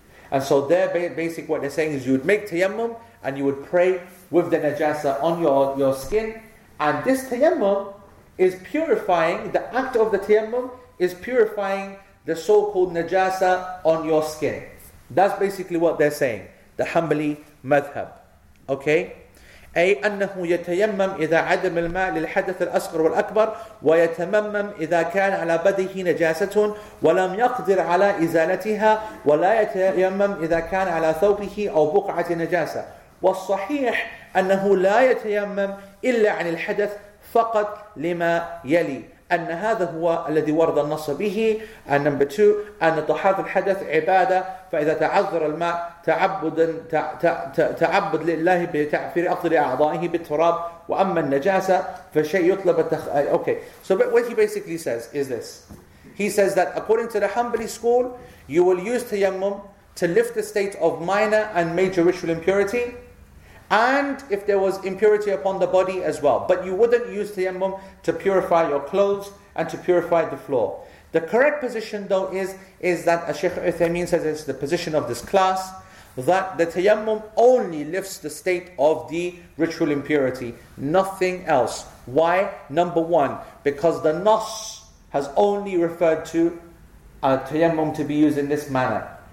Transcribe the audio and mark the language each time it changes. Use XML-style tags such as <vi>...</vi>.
<en>And so there, basically what they're saying is you would make tayammum and you would pray with the najasa on your skin. And this tayammum is purifying, the act of the tayammum is purifying the so-called najasa on your skin. That's basically what they're saying. The Hanbali madhab. Okay?</en> <ar>أي أنه يتيمم إذا عدم الماء للحدث الأصغر والأكبر ويتممم إذا كان على بدنه نجاسة ولم يقدر على إزالتها ولا يتيمم إذا كان على ثوبه أو بقعة نجاسة والصحيح أنه لا يتيمم إلا عن الحدث فقط لما يلي أن هذا هو الذي ورد النص به</ar> <en>and number two</en> <ar>أن طهارة الحدث عبادة فإذا تعذر الماء تعبد تعبد لله بتعفير أفضل أعضائه بالتراب وأما النجاسة فشيء يطلب</ar> <en>okay so what he basically says is this he says that according to the Hanbali school you will use tayammum to lift the state of minor and major ritual impurity and if there was impurity upon the body as well. But you wouldn't use tayammum to purify your clothes and to purify the floor. The correct position though is that, as Sheikh Uthaymeen says, it's the position of this class, that the tayammum only lifts the state of the ritual impurity. Nothing else. Why? Number one, because the Nas has only referred to tayammum to be used in this manner.</en>